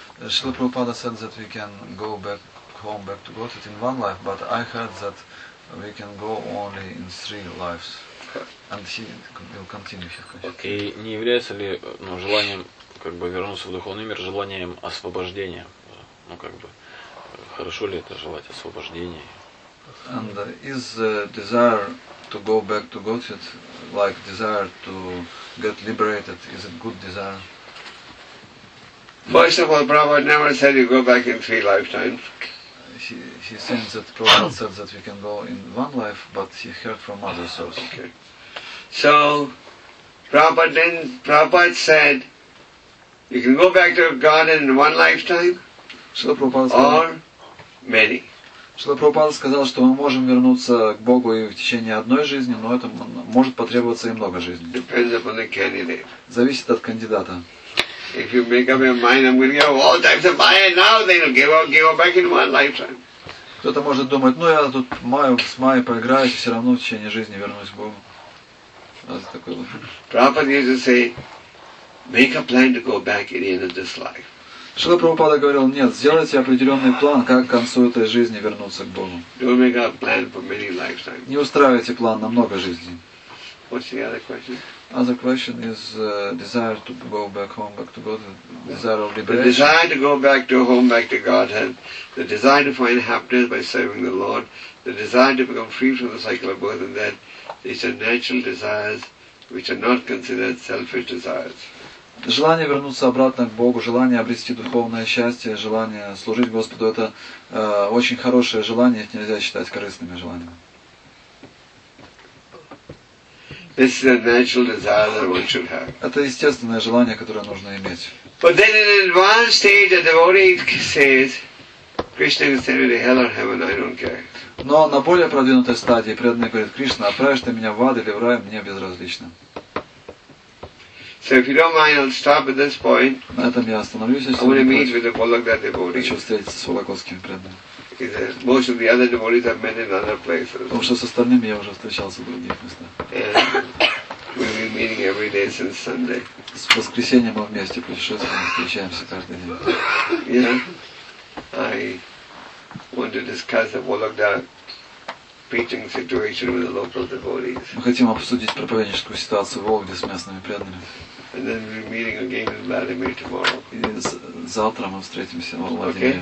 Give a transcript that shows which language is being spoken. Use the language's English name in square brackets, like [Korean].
[English] Шрила Прабхупада said that we can go back home, back to God in one life, but I heard that we can go only in three lives. And he will continue his question. [Russian] Okay, не является ли желанием... Как бы вернуться в духовный мир желанием освобождения. Ну как бы хорошо ли это желать освобождения? [English] And is the desire to go back to Godhead like desire to get liberated? Is it good desire? First of all, Prabhupada never said you go back in three lifetimes. He thinks that Prabhupada said that we can go in one life, but he heard from other sources. Okay. So Prabhupada said you can go back to God in one lifetime, or many. [Russian] Шрила Прабхупада сказал, что мы можем вернуться к Богу и в течение одной жизни, но это может потребоваться и много жизней. [English] Depends upon the candidate. [Russian] Зависит от кандидата. [English] If you make up your mind, I'm going to give all types of fire now, then you'll give up back in one lifetime. [Russian] Кто-то может думать, ну я тут с Майей поиграю, и все равно в течение жизни вернусь к Богу. Это такой вот. [English] Prabhupada used to say, make a plan to go back at the end of this life. [Russian] Шрила Прабхупада говорил, нет, сделайте определенный план, как к концу этой жизни вернуться к Богу. [English] Don't make a plan for many lifetimes. [Russian] Не устраивайте план на много жизней. [English] What's the other question? Other question is desire to go back home, back to God, desire of liberation. The desire to go back to home, back to Godhead, the desire to find happiness by serving the Lord, the desire to become free from the cycle of birth and death, these are natural desires which are not considered selfish desires. [Russian] Желание вернуться обратно к Богу, желание обрести духовное счастье, желание служить Господу – это очень хорошее желание, их нельзя считать корыстными желаниями. [English] This is a natural desire that one should have. [Russian] Это естественное желание, которое нужно иметь. [English] But then in an advanced stage, the devotee says, Krishna can send me to hell or heaven, I don't care. [Russian] Но на более продвинутой стадии преданный говорит, Кришна, отправишь ты меня в ад или в рай, мне безразлично. [English] So if you don't mind, I'll stop at this point. [Russian] На этом я остановлюсь. [English] I want to meet with the Vologda devotees. [Russian] Хочу встретиться с вологодскими преданными. [English] Because most of the other devotees I've met in other places. [Russian] Потому что с остальными я уже встречался в других местах. [English] And we've been meeting every day since Sunday. [Russian] С воскресенья мы вместе путешествуем, встречаемся каждый день. [English] Yeah, I want to discuss the Vologda preaching situation with the local devotees. [Russian] Мы хотим обсудить проповедническую ситуацию в Вологде с местными преданными. [English] And then we're meeting again in Vladimir tomorrow. [Russian] И завтра мы встретимся в Вологде.